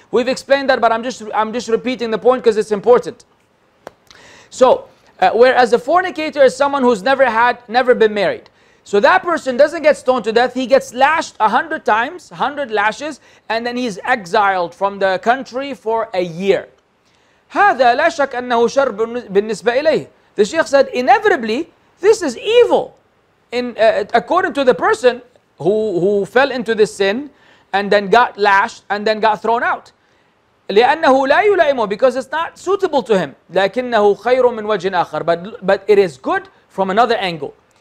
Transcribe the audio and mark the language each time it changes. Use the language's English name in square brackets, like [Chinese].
[English] We've explained that, but I'm just repeating the point because it's important. So, whereas a fornicator is someone who's never been married. So that person doesn't get stoned to death. He gets lashed 100 times, 100 lashes, and then he's exiled from the country for a year. [Arabic] هذا لا شك أنه شر بالنسبة إليه. [English] The Sheikh said, inevitably, this is evil. According to the person who fell into this sin, and then got lashed, and then got thrown out. [Arabic] لِأَنَّهُ لَا يُلَئِمُ, [English] because it's not suitable to him. [Arabic] لَكِنَّهُ خَيْرٌ مِّن وَجْهٍ آخر, [English] but it is good from another angle.